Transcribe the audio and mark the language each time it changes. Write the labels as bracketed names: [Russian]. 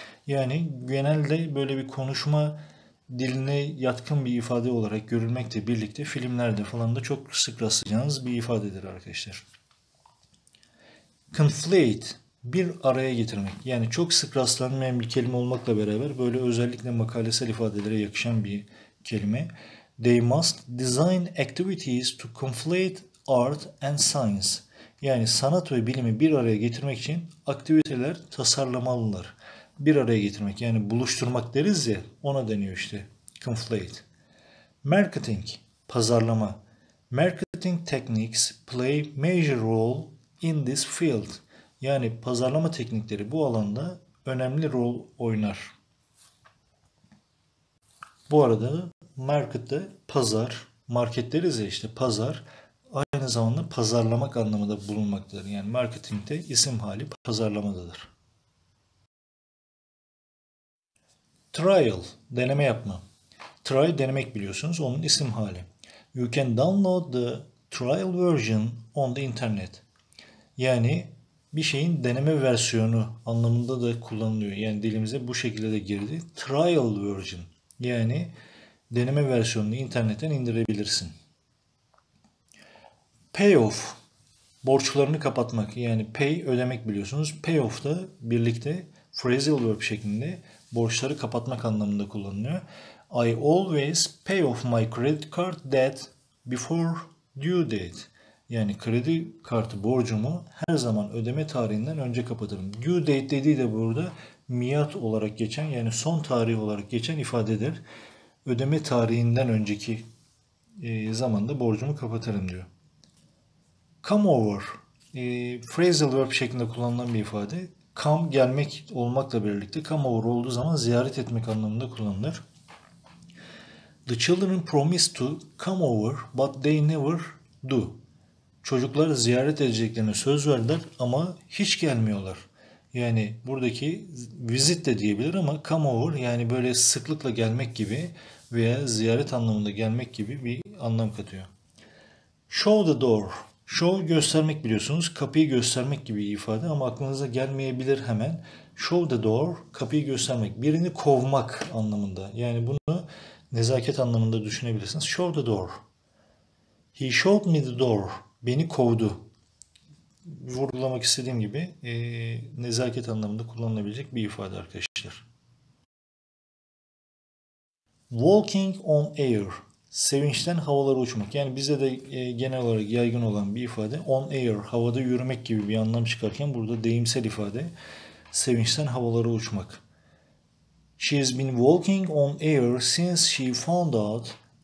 [Turkish] Yani genelde böyle bir konuşma diline yatkın bir ifade olarak görülmekle birlikte filmlerde falan da çok sık rastlayacağınız bir ifadedir arkadaşlar. Conflate, bir araya getirmek. Yani çok sık rastlanmayan bir kelime olmakla beraber böyle özellikle makalesel ifadelere yakışan bir kelime. [English] They must design activities to conflate art and science. [Turkish] Yani sanat ve bilimi bir araya getirmek için aktiviteler tasarlamalılar. Bir araya getirmek yani buluşturmak deriz ya ona deniyor işte conflate. Marketing, pazarlama. [English] Marketing techniques play major role in this field. [Turkish] Yani pazarlama teknikleri bu alanda önemli rol oynar. Bu arada market'te pazar, market deriz ya işte pazar. Aynı zamanda pazarlamak anlamında bulunmaktadır. Yani marketingde isim hali pazarlamadadır. Trial, deneme yapma. Try, denemek biliyorsunuz. Onun isim hali. [English] You can download the trial version on the internet. [Turkish] Yani bir şeyin deneme versiyonu anlamında da kullanılıyor. Yani dilimize bu şekilde de girdi. Trial version. Yani deneme versiyonunu internetten indirebilirsin. Payoff, borçlarını kapatmak yani pay ödemek biliyorsunuz. Payoff da birlikte phrasal verb şeklinde borçları kapatmak anlamında kullanılıyor. [English] I always pay off my credit card debt before due date. [Turkish] Yani kredi kartı borcumu her zaman ödeme tarihinden önce kapatırım. Due date dediği de burada miat olarak geçen yani son tarih olarak geçen ifadedir. Ödeme tarihinden önceki zamanda borcumu kapatırım diyor. Come over, phrasal verb şeklinde kullanılan bir ifade. Come, gelmek olmakla birlikte come over olduğu zaman ziyaret etmek anlamında kullanılır. [English] The children promise to come over but they never do. [Turkish] Çocuklar ziyaret edeceklerine söz verdiler ama hiç gelmiyorlar. Yani buradaki visit de diyebilir ama come over yani böyle sıklıkla gelmek gibi veya ziyaret anlamında gelmek gibi bir anlam katıyor. [English] Show the door. [Turkish] Show göstermek biliyorsunuz. Kapıyı göstermek gibi ifade ama aklınıza gelmeyebilir hemen. [English] Show the door, [Turkish] kapıyı göstermek. Birini kovmak anlamında. Yani bunu nezaket anlamında düşünebilirsiniz. [English] Show the door. He showed me the door. [Turkish] Beni kovdu. Vurgulamak istediğim gibi nezaket anlamında kullanılabilecek bir ifade arkadaşlar. [English] Walking on air. [Turkish] Sevinçten havalara uçmak. Yani bize de genel olarak yaygın olan bir ifade. On air, havada yürümek gibi bir anlam çıkarken burada deyimsel ifade. Sevinçten havalara uçmak. [English] She has been walking on air since she found out